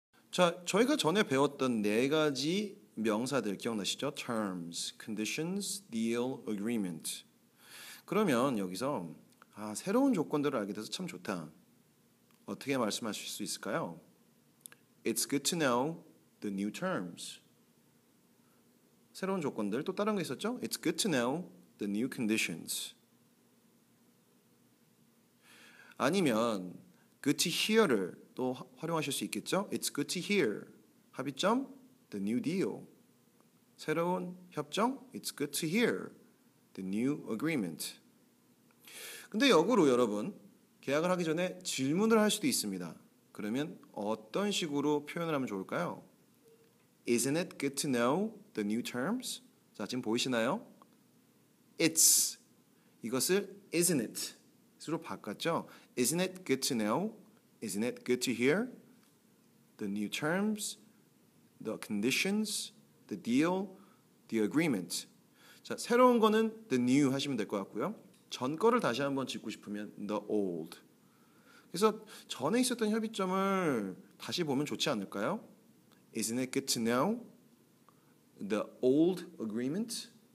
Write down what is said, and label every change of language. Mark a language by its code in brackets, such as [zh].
[ko] 자, 저희가 전에 배웠던 네 가지 명사들 기억나시죠? [en] Terms, Conditions, Deal, Agreement. [ko] 그러면 여기서 새로운 조건들을 알게 돼서 참 좋다. 어떻게 말씀하실 수 있을까요? [en] It's good to know the new terms. [ko] 새로운 조건들, 또 다른 게 있었죠? [en] It's good to know the new conditions. [ko] 아니면 good to hear를 또 활용하실 수 있겠죠? [en] It's good to hear. 합의점, the new deal. [ko] 새로운 협정, [en] it's good to hear. The new agreement. [ko] 근데 역으로 여러분, 계약을 하기 전에 질문을 할 수도 있습니다. 그러면 어떤 식으로 표현을 하면 좋을까요? [en] Isn't it good to know the new terms? [ko] 자, 지금 보이시나요? It's. 이것을 isn't it? 으로 바꿨죠. [en] Isn't it good to know? Isn't it good to hear? The new terms, the conditions, the deal, the agreement. [ko] 자, 새로운 거는 the new 하시면 될 것 같고요. 전 거를 다시 한번 짚고 싶으면 the old. 그래서 전에 있었던 협의점을 다시 보면 좋지 않을까요? [en] Isn't it good to know? The old agreement.